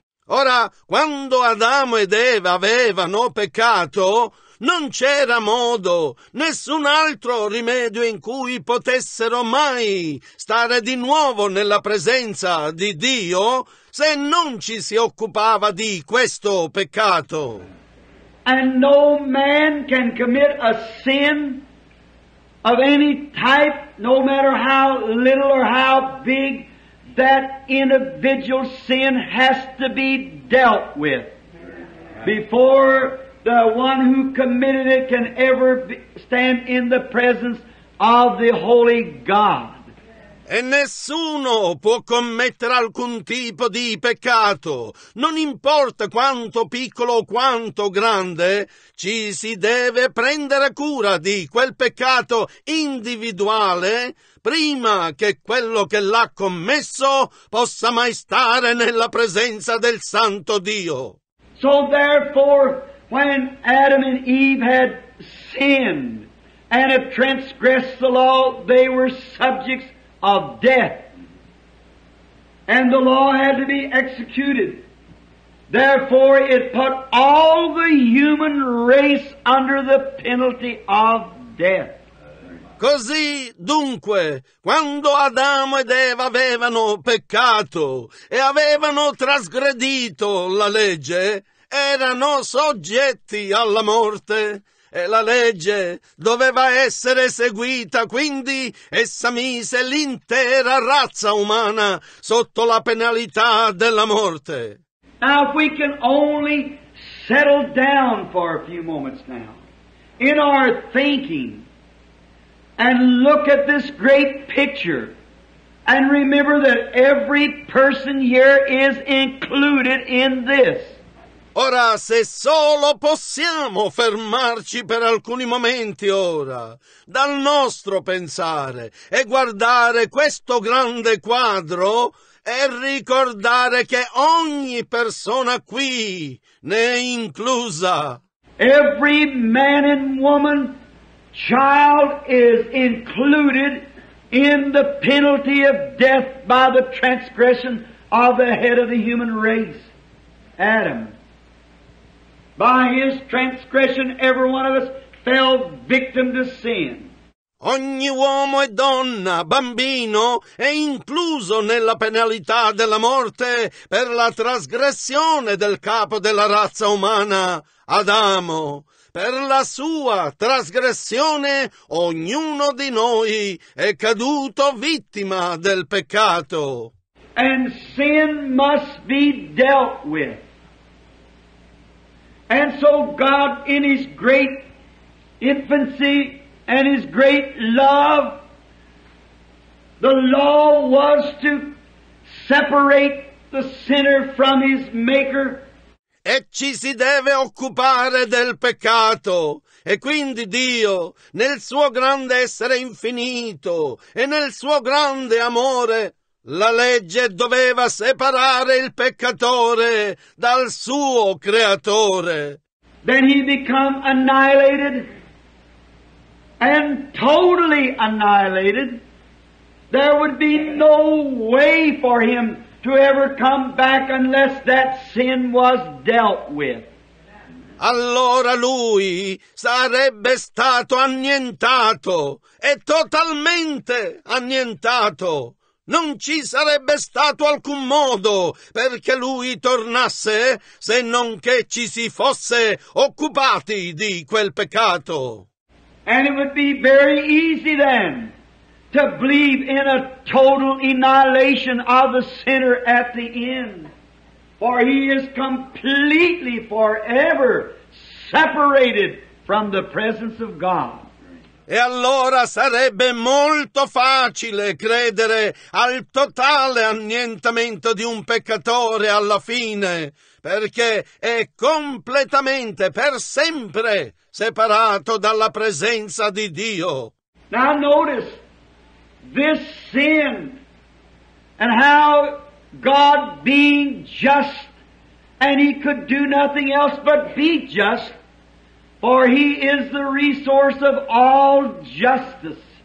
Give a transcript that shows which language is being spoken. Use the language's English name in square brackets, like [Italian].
[Italian] Ora, quando Adamo ed Eva avevano peccato, non c'era modo, nessun altro rimedio in cui potessero mai stare di nuovo nella presenza di Dio se non ci si occupava di questo peccato. [English] And no man can commit a sin of any type, no matter how little or how big, that individual sin has to be dealt with before the one who committed it can ever stand in the presence of the Holy God. [Italian] E nessuno può commettere alcun tipo di peccato, non importa quanto piccolo o quanto grande, ci si deve prendere cura di quel peccato individuale prima che quello che l'ha commesso possa mai stare nella presenza del Santo Dio. [English] So therefore, when Adam and Eve had sinned and had transgressed the law, they were subjects of death, and the law had to be executed. Therefore, it put all the human race under the penalty of death. [Italian] Così, dunque, quando Adamo ed Eva avevano peccato e avevano trasgredito la legge, erano soggetti alla morte e la legge doveva essere eseguita, quindi essa mise l'intera razza umana sotto la penalità della morte. [English] Now, if we can only settle down for a few moments now in our thinking and look at this great picture and remember that every person here is included in this. [Italian] Ora, se solo possiamo fermarci per alcuni momenti ora, dal nostro pensare e guardare questo grande quadro e ricordare che ogni persona qui ne è inclusa. [English] Every man and woman, child is included in the penalty of death by the transgression of the head of the human race, Adam. By his transgression, every one of us fell victim to sin. [Italian] Ogni uomo e donna, bambino, è incluso nella penalità della morte per la trasgressione del capo della razza umana, Adamo. Per la sua trasgressione, ognuno di noi è caduto vittima del peccato. [English] And sin must be dealt with. And so God, in His great infancy and His great love, the law was to separate the sinner from his Maker. [Italian] E ci si deve occupare del peccato. E quindi Dio, nel suo grande essere infinito e nel suo grande amore, la legge doveva separare il peccatore dal suo creatore. [English] Then he became annihilated and totally annihilated. There would be no way for him to ever come back unless that sin was dealt with. [Italian] Allora lui sarebbe stato annientato e totalmente annientato. Non ci sarebbe stato alcun modo perché lui tornasse se non che ci si fosse occupati di quel peccato. [English] And it would be very easy then to believe in a total annihilation of the sinner at the end, for he is completely forever separated from the presence of God. [Italian] E allora sarebbe molto facile credere al totale annientamento di un peccatore alla fine, perché è completamente, per sempre, separato dalla presenza di Dio. [English] Now notice this sin and how God, being just And he could do nothing else but be just, for he is the resource of all justice.